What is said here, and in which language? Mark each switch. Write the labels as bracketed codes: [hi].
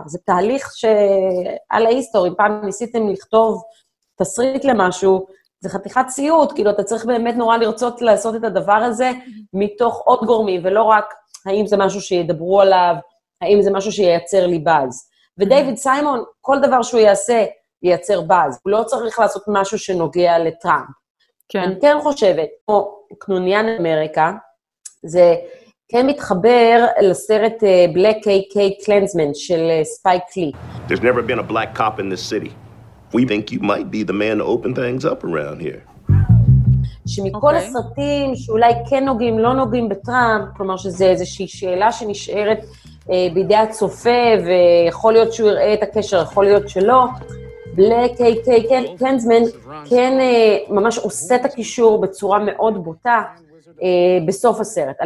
[he] זה תהליך שעל ההיסטורי, פעם ניסיתם לכתוב תסריט למשהו, זה חתיכת ציוד, כאילו אתה צריך באמת נורא לרצות לעשות את הדבר הזה מתוך עוד גורמים, ולא רק האם זה משהו שידברו עליו, האם זה משהו שייצר לי בז. ודייוויד סיימון, כל דבר שהוא יעשה, ייצר בז. הוא לא צריך לעשות משהו שנוגע לטראמפ. כן. אני כן חושבת, כמו קנוניה אמריקה, זה... כן מתחבר לסרט Black KK Klansman של Spike Lee. [en] There's never been a black cop in this city. We think you might be the man to open things up around here. [he] שמכל הסרטים שאולי כן נוגעים, לא נוגעים בטראמפ, כלומר שזה איזושהי שאלה שנשארת בידי הצופה, ויכול להיות שהוא יראה את הקשר, יכול להיות שלא, בלק קיי קלנסמן כן ממש עושה את הקישור בצורה מאוד בוטה בסוף הסרט.